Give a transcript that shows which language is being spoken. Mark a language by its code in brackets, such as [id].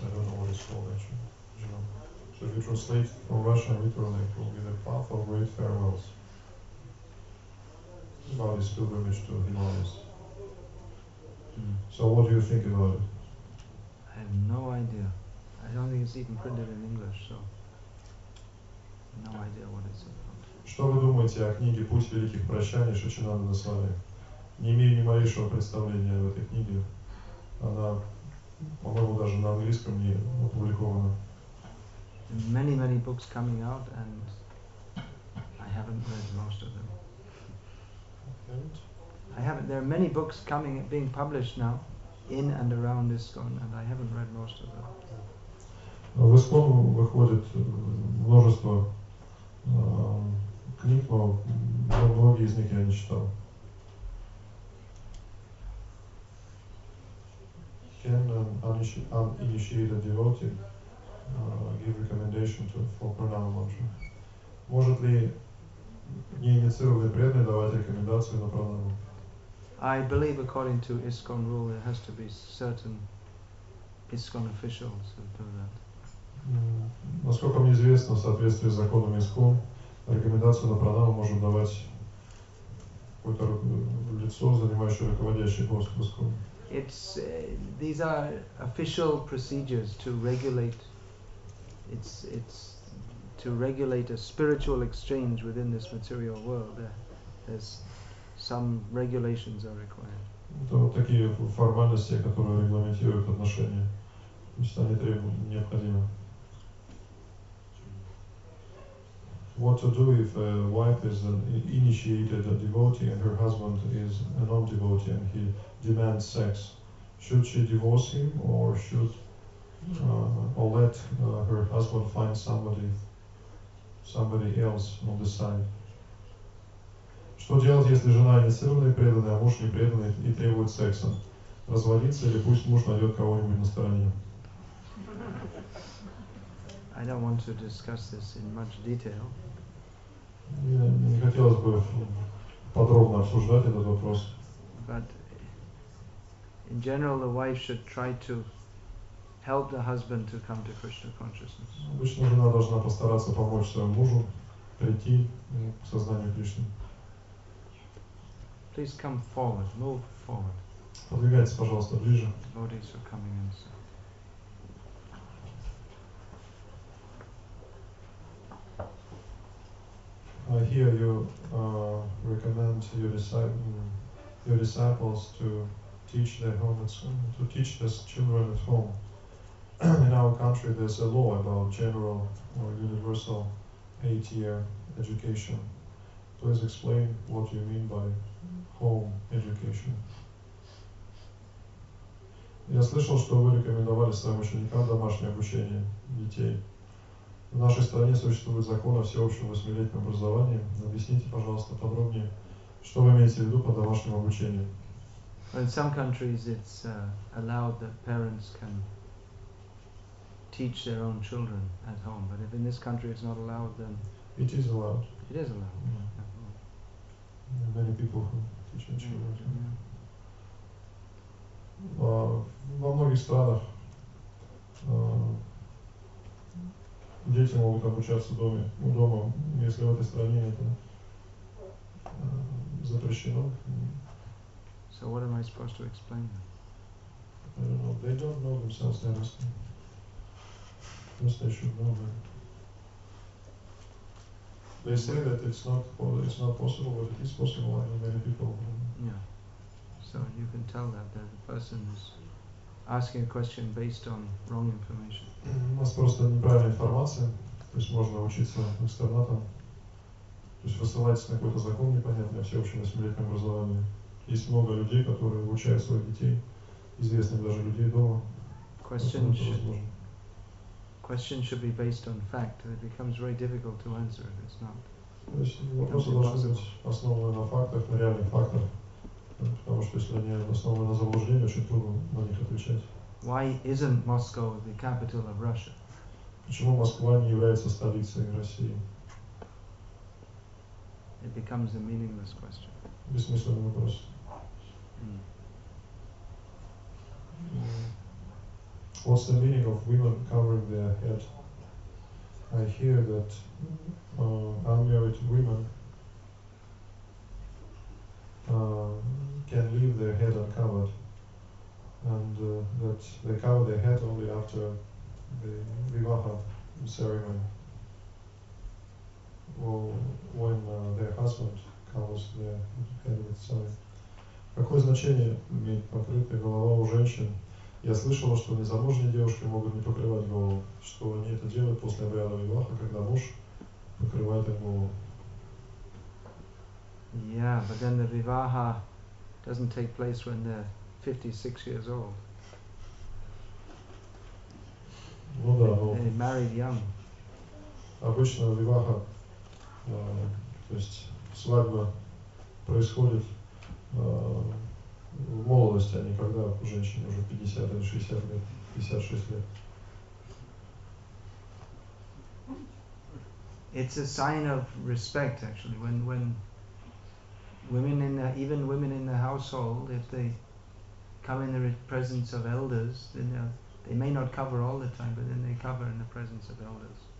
[en] I don't know what it's called actually. You know? So if you translate from Russian literally, it will be The Path of Great Farewells. About his pilgrimage to Himalayas. So what do you think about it? I have no idea. I don't think it's even printed in English, so no idea what it's about. [ru] Что вы думаете о книге Путь великих прощаний Сачинанда Свами? Не имею ни малейшего представления об этой книге. Она, по-моему, даже на английском не опубликована. [en] Many, many books coming out, and I haven't read most of them. Okay. I haven't. There are many books coming, being published now, in and around ISKCON, and I haven't read most of them. [ru] В ISKCON выходит множество книг, но многие из них я не читал. [en] Can an uninitiated devotee give recommendation to for pranam mantra? [ru] Может ли неинициированный преданный давать рекомендацию на пранаму? [en] I believe according to ISKCON rule, there has to be certain ISKCON officials who do that. [ru] Насколько мне известно, в соответствии с законом ISKCON, рекомендацию на пранаму может давать какое-то лицо, занимающее руководящий пост в ISKCON. [en] These are official procedures to regulate. It's to regulate a spiritual exchange within this material world. There's some regulations are required. [ru] Это вот такие формальности, которые регламентируют отношения. То есть они требуют необходимо. [en] What to do if a wife is an initiated a devotee and her husband is a non-devotee and he demands sex? Should she divorce him or should or let her husband find somebody else on the side? [ru] Что делать, если жена инициированная и преданная, а муж не преданный и требует секса? Разводиться или пусть муж найдет кого-нибудь на стороне? [en] I don't want to discuss this in much detail. [ru] Не хотелось бы подробно обсуждать этот вопрос. [en] But in general, the wife should try to help the husband to come to Krishna consciousness. [ru] Обычно жена должна постараться помочь своему мужу прийти к сознанию Кришны. [en] Please come forward, move forward. [ru] Подвигайтесь, пожалуйста, ближе. [en] Devotees are coming in, sir. I hear you recommend your disciples to teach their home at school, to teach their children at home. In our country, there's a law about general or universal 8-year education. Please explain what you mean by home education. [ru] Я слышал, что вы рекомендовали своим ученикам домашнее обучение детей. В нашей стране существует закон о всеобщем 8-летнем образовании. Объясните, пожалуйста, подробнее, что вы имеете в виду под домашним обучением. [en] In some countries it's allowed that parents can teach their own children at home. But if in this country it's not allowed, then... It is allowed. It is allowed. Yeah. Yeah. Many people who teach their children. Yeah. [ru] Во многих странах дети могут обучаться дома, если в этой стране это запрещено. [en] So what am I supposed to explain them? I don't know. They don't know themselves, they're asking. Yes, they should know, but they say that it's not possible, but it is possible, I know many people. Yeah. So you can tell that the person is asking a question based on wrong information. [ru] У нас просто неправильная информация. То есть можно учиться экстернатом. То есть вы ссылаетесь на какой-то закон непонятный о всеобщем 8-летнем образовании. Есть много людей, которые обучают своих детей, известных даже людей дома. [en] Question, question should be based on fact, and it becomes very difficult to answer if it's not. [ru] Вопросы должны быть основаны на фактах, на реальных фактах, потому что если они основаны на заблуждениях, очень трудно на них отвечать. [en] Why isn't Moscow the capital of Russia? [ru] Почему Москва не является столицей России? [en] It becomes a meaningless question. [ru] Бессмысленный вопрос. [en] What's the meaning of women covering their head? I hear that unmarried women can leave their head uncovered, and that they cover their head only after the vivaha ceremony, or when their husband covers their head with sari. [ru] Какое значение имеет покрытая голова у женщин? Я слышала, что незамужние девушки могут не покрывать голову, что они это делают после обряда виваха, когда муж покрывает их голову. [en] Yeah, but then the vivaha doesn't take place when they're 56 years old. [ru] Ну да, но... [en] They married young. [ru] Обычно виваха, то есть свадьба происходит в молодости, а не когда женщине уже 50 или 60 лет, 56 лет. [en] It's a sign of respect, actually, when women in the, even women in the household, if they come in the presence of elders, then they may not cover all the time, but then they cover in the presence of elders.